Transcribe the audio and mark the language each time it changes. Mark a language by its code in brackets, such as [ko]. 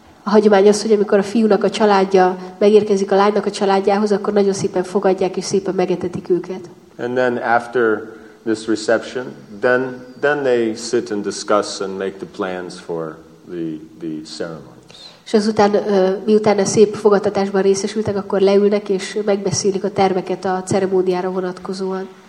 [hu] A hagyomány az, hogy amikor a fiúnak a családja megérkezik a lánynak a családjához, akkor nagyon szépen fogadják és szépen megetetik őket. [en] And then after this reception, then they sit and discuss and make the plans for the ceremony. [hu] És azután, miután a szép fogadtatásban részesültek, akkor leülnek és megbeszélik a terveket a ceremóniára vonatkozóan.